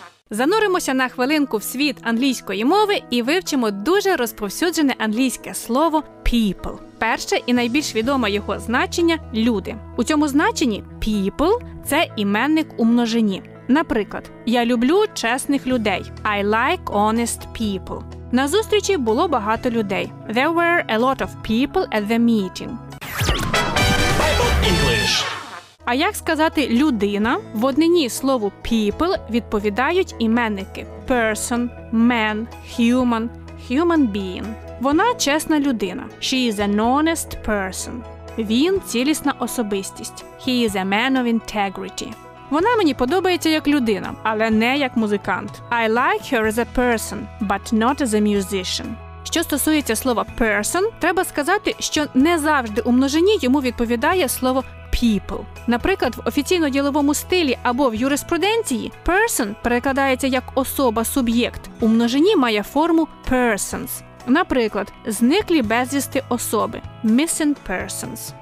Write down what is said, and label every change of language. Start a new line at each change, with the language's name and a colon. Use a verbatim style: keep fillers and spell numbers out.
Ukrainian: Зануримося на хвилинку в світ англійської мови і вивчимо дуже розповсюджене англійське слово people. Перше і найбільш відоме його значення – люди. У цьому значенні people – це іменник у множині. Наприклад, я люблю чесних людей.
English: I like honest people.
Ukrainian: На зустрічі було багато людей. There were a lot of people at the meeting.
English: Bible English.
Ukrainian: А як сказати «людина»? В однині слову people відповідають іменники person, man, human, human being. Вона чесна людина.
English: She is an honest person.
Ukrainian: Він цілісна особистість.
English: He is a man of integrity.
Ukrainian: Вона мені подобається як людина, але не як музикант.
English: I like her as a person, but not as a musician.
Ukrainian: Що стосується слова person, треба сказати, що не завжди у множині йому відповідає слово people. Наприклад, в офіційно-діловому стилі або в юриспруденції person перекладається як особа-суб'єкт. У множині має форму persons. Наприклад, зниклі безвісти особи –
English: missing persons.